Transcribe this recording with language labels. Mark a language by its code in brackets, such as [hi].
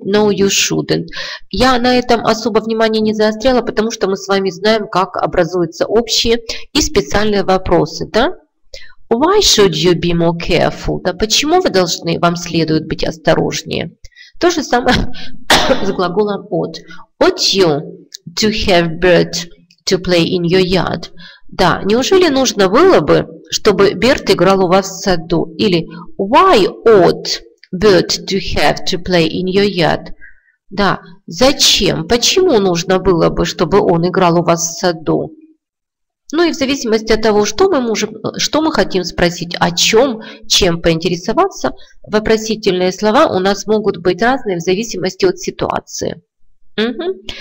[en] No, you shouldn't. [ru] Я на этом особо внимания не заостряла, потому что мы с вами знаем, как образуются общие и специальные вопросы. [en] Да? Why should you be more careful? [ru] Да, почему вы должны, вам следует быть осторожнее? То же самое с глаголом ought. [en] Ought you to have bird to play in your yard? [ru] Да, неужели нужно было бы, чтобы Берт играл у вас в саду? [en] Или why ought Bert to have to play in your yard? [ru] Да, зачем? Почему нужно было бы, чтобы он играл у вас в саду? Ну и в зависимости от того, что мы хотим спросить, о чем, чем поинтересоваться, вопросительные слова у нас могут быть разные в зависимости от ситуации. Угу.